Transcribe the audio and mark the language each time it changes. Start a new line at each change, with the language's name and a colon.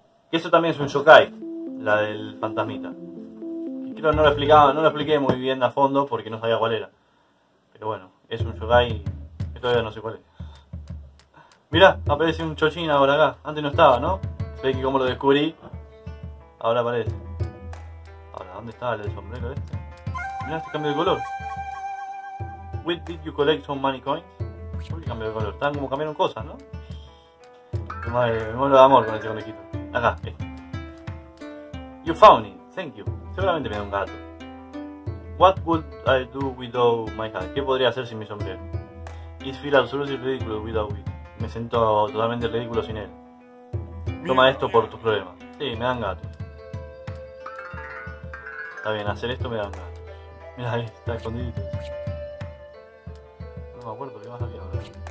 Spanish: Y eso también es un yokai. La del fantasmita. Creo que no lo explicaba, no lo expliqué muy bien a fondo porque no sabía cuál era. Pero bueno, es un yokai que todavía no sé cuál es. Mirá, aparece un chochín ahora acá. Antes no estaba, ¿no? Sé que como lo descubrí, ahora aparece. Ahora, ¿dónde estaba el sombrero este? Mirá, este cambio de color.
English: When did you collect some money coins?
Spanish: ¿Por qué cambió de color? Están como cambiaron cosas, ¿no? Madre, me muero de amor con este conejito. Acá, este.
English: You found it, thank you.
Spanish: Seguramente me da un gato.
English: What would I do without my hat?
Spanish: ¿Qué podría hacer sin mi sombrero?
English: It feels absolutely ridiculous without it.
Spanish: Me siento totalmente ridículo sin él. Toma esto por tus problemas. Sí, me dan gatos. Está bien, hacer esto me dan gatos. Mira ahí, está escondidito. No me acuerdo qué más había ahora.